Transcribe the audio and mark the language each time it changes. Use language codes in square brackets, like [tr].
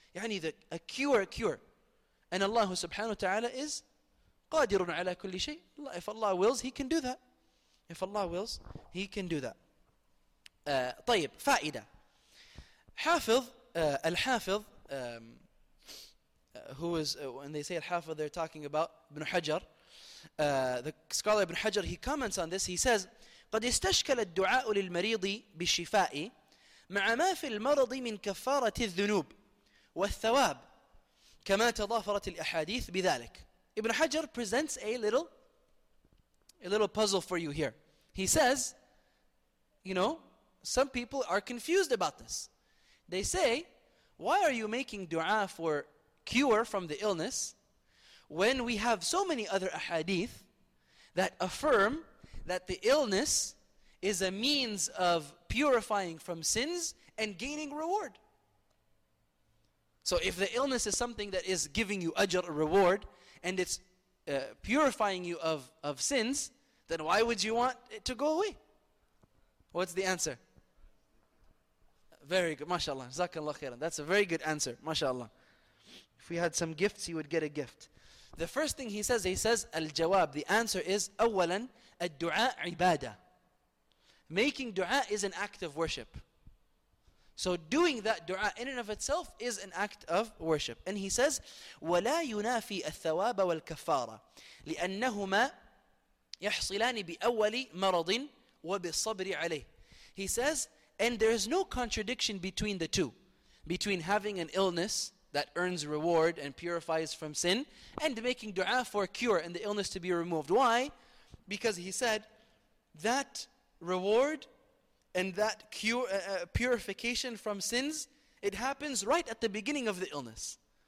[en] Yani a cure. And Allah subhanahu wa ta'ala is [ar] قادر على كل شيء. [en] If Allah wills, He can do that. If Allah wills, He can do that. [ar] طيب فائدة. [en] حافظ الحافظ who is when they say الحافظ they're talking about ابن حجر. The scholar [ar] ابن حجر, [en] he comments on this. He says [ar] قد استشكل الدعاء للمريض بالشفاء مع ما في المرض من كفارة الذنوب والثواب كما تضافرت الأحاديث بذلك. [en] Ibn Hajar presents a little puzzle for you here. He says, you know, some people are confused about this. They say, why are you making dua for cure from the illness when we have so many other ahadith that affirm that the illness is a means of purifying from sins and gaining reward? So if the illness is something that is giving you ajr, a reward, and it's purifying you of sins, then why would you want it to go away? What's the answer? Very good, mashallah. Jazakallah khairan. That's a very good answer, mashallah. If we had some gifts, you would get a gift. The first thing he says, al-jawab, the answer is, [ar] awwalan, al-du'a ibadah. [en] Making du'a is an act of worship. So doing that dua in and of itself is an act of worship. [ar] And he says, وَلَا يُنَافِي الثَّوَابَ وَالْكَفَّارَ لِأَنَّهُمَا يَحْصِلَانِ بِأَوَّلِ مَرَضٍ وَبِالصَّبْرِ عَلَيْهِ. [en] He says, And there is no contradiction between the two, between having an illness that earns reward and purifies from sin, and making dua for a cure and the illness to be removed. Why? Because he said that reward and that cure, purification from sins, it happens right at the beginning of the illness.